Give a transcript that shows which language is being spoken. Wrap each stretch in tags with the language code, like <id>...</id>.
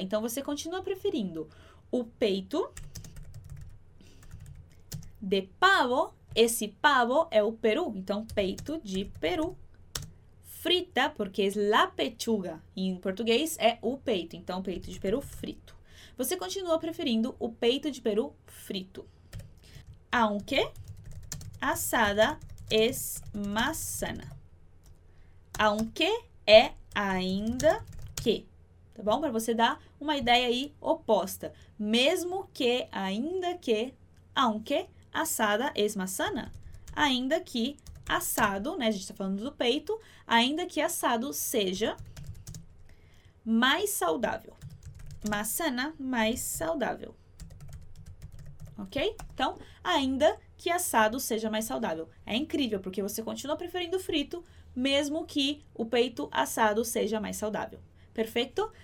<pt>Então, você continua preferindo o peito de pavo. Esse pavo é o peru, então peito de peru. Frita, porque é</pt> <es>la pechuga,</es> <pt>em português, é o peito. Então, peito de peru frito. Você continua preferindo o peito de peru frito.</pt> <es>Aunque assada es más sana.</es> <pt>Aunque é ainda que. Tá bom? Para você dar uma ideia aí oposta. Mesmo que, ainda que,</pt> <es>aunque assada es más sana.</es> <pt>Ainda que assado, né? A gente tá falando do peito, ainda que assado seja mais saudável.</pt> <es>Más sana,</es> <pt>mais saudável. Ok? Então, ainda que assado seja mais saudável. É incrível, porque você continua preferindo frito, mesmo que o peito assado seja mais saudável. Perfeito?</pt>